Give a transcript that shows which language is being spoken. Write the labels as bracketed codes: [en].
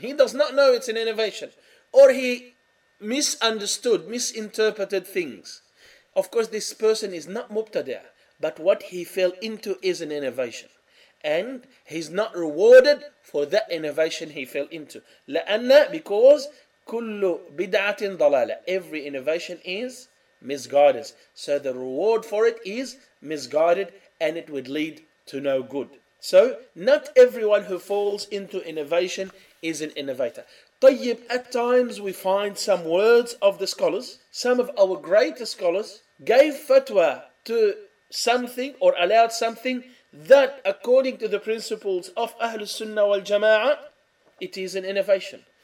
[en] He does not know it's an innovation, or he misunderstood, misinterpreted things. Of course, this person is not mubtada, but what he fell into is an innovation, and he's not rewarded for that innovation he fell into. [ar] لَأَنَّ because كُلُّ بِدْعَةٍ ضَلَالَةٍ. [en] Every innovation is misguided. So the reward for it is misguided, and it would lead to no good. So, not everyone who falls into innovation is an innovator. طيب, at times we find some words of the scholars, some of our greatest scholars, gave fatwa to something or allowed something that according to the principles of Ahlul Sunnah wal Jama'ah, it is an innovation.